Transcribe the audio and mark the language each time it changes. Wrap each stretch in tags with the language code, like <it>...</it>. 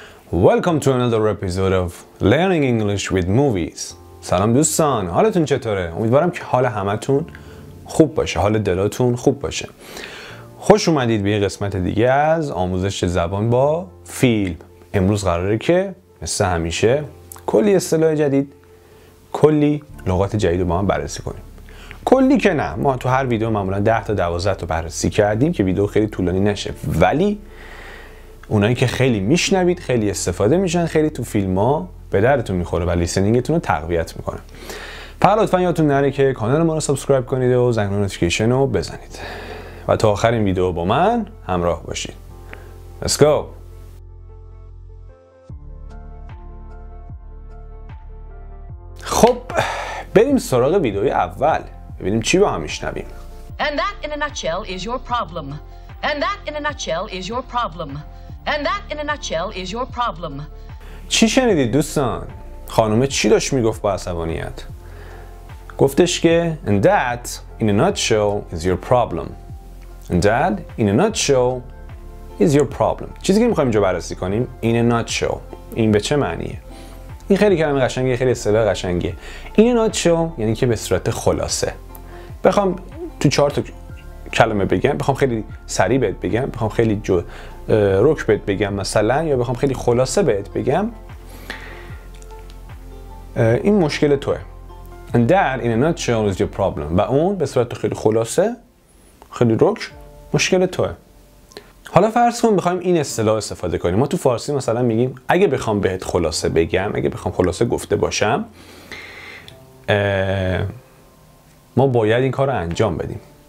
<en>Welcome to another episode of Learning English with Movies.</en> <fa>سلام دوستان، حالتون چطوره؟ امیدوارم که حال همتون خوب باشه، حال دلاتون خوب باشه. خوش اومدید به یه قسمت دیگه از آموزش زبان با فیلم. امروز قراره که مثل همیشه کلی اصطلاح جدید، کلی لغات جدید رو با هم بررسی کنیم. کلی که نه، ما تو هر ویدیو معمولا 10 تا 12 تا بررسی کردیم که ویدیو خیلی طولانی نشه، ولی اونایی که خیلی میشنوید، خیلی استفاده میشن، خیلی تو فیلم ها به دردتون میخوره و لیسنینگتون رو تقویت میکنه. پس لطفا یادتون نره که کانال ما رو سابسکرایب کنید و زنگ نوتیفیکیشن رو بزنید و تا آخرین ویدیو با من همراه باشید.</fa> <en>Let's go.</en> <fa>خب بریم سراغ ویدیوی اول، ببینیم چی با هم میشنویم.</fa> <en>And that in a nutshell is your problem. And that in a nutshell is your problem. And that in a nutshell is your problem.</en> <fa>چی شنیدید دوستان؟ خانومه چی داشت میگفت با عصبانیت؟ گفتش که</fa> <en>And that in a nutshell is your problem. And that in a nutshell is your problem.</en> <fa>چیزی که میخوایم اینجا بررسی کنیم</fa> <en>in a nutshell،</en> <fa>این به چه معنیه؟ این خیلی کلمه قشنگه، خیلی اصطلاح قشنگه. این ناتشو یعنی که به صورت خلاصه. بخوام تو 4 تا کلمه بگم، بخوام خیلی سریع بهت بگم، بخوام خیلی رک بهت بگم مثلا، یا بخوام خیلی خلاصه بهت بگم، این مشکل توه.</fa> <en>And that in a nutshell is your problem.</en> <fa>و اون به صورت خیلی خلاصه، خیلی رک، مشکل توه. حالا فرض کن بخوایم این اصطلاح استفاده کنیم. ما تو فارسی مثلا میگیم اگه بخوام بهت خلاصه بگم، اگه بخوام خلاصه گفته باشم، ما باید این کار رو انجام بدیم.</fa>